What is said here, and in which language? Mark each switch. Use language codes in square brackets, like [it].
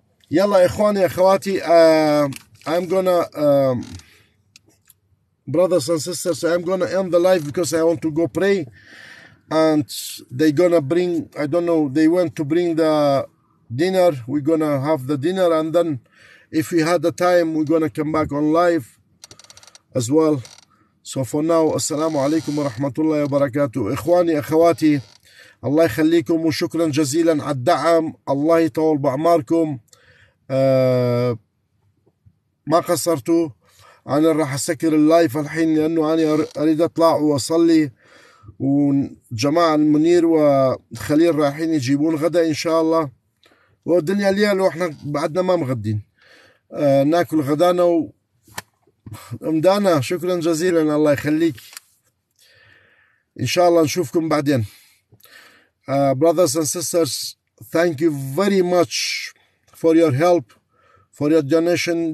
[ar] يلا إخواني أخواتي، [en] I'm gonna brothers and sisters, I'm gonna end the live because I want to go pray, and they gonna bring, I don't know, they went to bring the dinner. We're gonna have the dinner, and then if we had the time, we're gonna come back on live as well. So for now, assalamu alaikum wa rahmatullahi wa barakatuh. [ar] إخواني أخواتي، الله يخليكم وشكرا جزيلا على الدعم، الله يطول بعماركم. ما قصرتوا، انا راح اسكر اللايف الحين لانه انا اريد اطلع واصلي، وجماعه المنير وخليل رايحين يجيبون غدا ان شاء الله، والدنيا ليل واحنا بعدنا ما مغدين، ناكل غدانا امدانا. شكرا جزيلا، الله يخليك، ان شاء الله نشوفكم بعدين. [en] Brothers and sisters, thank you very much for your help, for your donation.